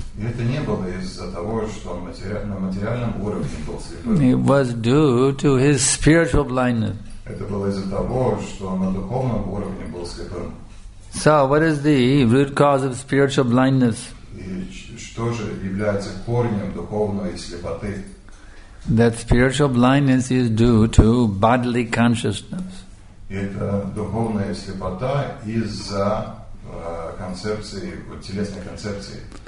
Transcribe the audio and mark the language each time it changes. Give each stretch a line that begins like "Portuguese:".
Russian: Это не было из-за того, что на материальном уровне был слепой.
English: It was due to his spiritual blindness.
Russian: Это было из-за того, что на духовном уровне был слепым.
English: So, what is the root cause of spiritual blindness?
Russian: И что же является корнем духовной слепоты?
English: That spiritual blindness is due to bodily consciousness.
Russian: Это духовная слепота из-за концепции, телесной концепции.